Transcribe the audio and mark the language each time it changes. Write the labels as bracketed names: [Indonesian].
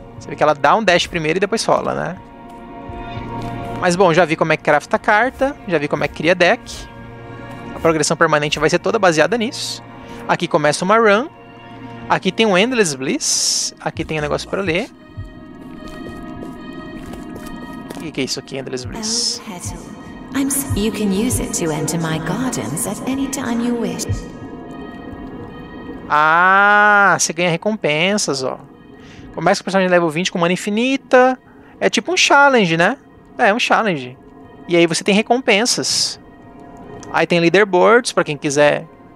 [Portuguese] Você vê que ela dá um dash primeiro e depois rola, né? Mas bom, já vi como é que crafta a carta. Já vi como é que cria deck. A progressão permanente vai ser toda baseada nisso. Aqui começa uma run. Aqui tem um Endless Bliss. Aqui tem um negócio pra ler. O que é isso aqui, Endless Bliss? [English] You can use it to enter my gardens at any time you wish. [Portuguese] Ah, você ganha recompensas, ó. Começa com o personagem level 20 com mana infinita. É tipo um challenge, né? É um challenge. E aí você tem recompensas. Aí tem leaderboards pra quem quiser.